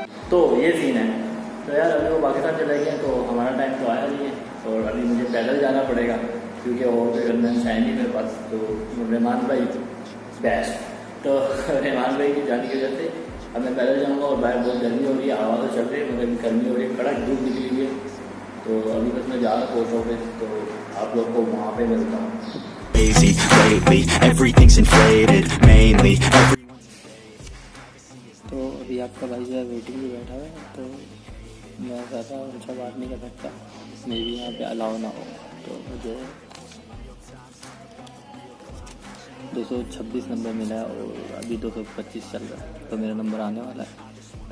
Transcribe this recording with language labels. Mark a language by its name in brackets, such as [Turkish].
[Hindi] तो ये सीन है, तो यार अभी वो पाकिस्तान चले गए, तो हमारा टाइम तो आया नहीं है, और अभी मुझे पैदल जाना पड़ेगा, क्योंकि और कोई गवर्नमेंट है नहीं मेरे पास। तो रहमान भाई बेस्ट, तो रहमान भाई की जाने की वजह से अब मैं पैदल जाऊंगा, और बाहर बहुत गर्मी हो रही है, हवा तो चल रही है, मगर अभी गर्मी हो रही है, कड़क धूप निकली हुई है। तो अभी बस मैं जा रहा हूँ पोस्ट ऑफिस, तो आप लोग को वहाँ पे मिलता हूँ। [English] Crazy lately, everything's inflated, mainly every... [Hindi] तो अभी आपका भाई जो है वेटिंग में बैठा है, तो मैं ज़्यादा अच्छा बात नहीं कर सकता, मे भी यहाँ पे अलाउ ना हो। तो मुझे 226 नंबर मिला है, और अभी 225 चल रहा है, तो मेरा नंबर आने वाला है।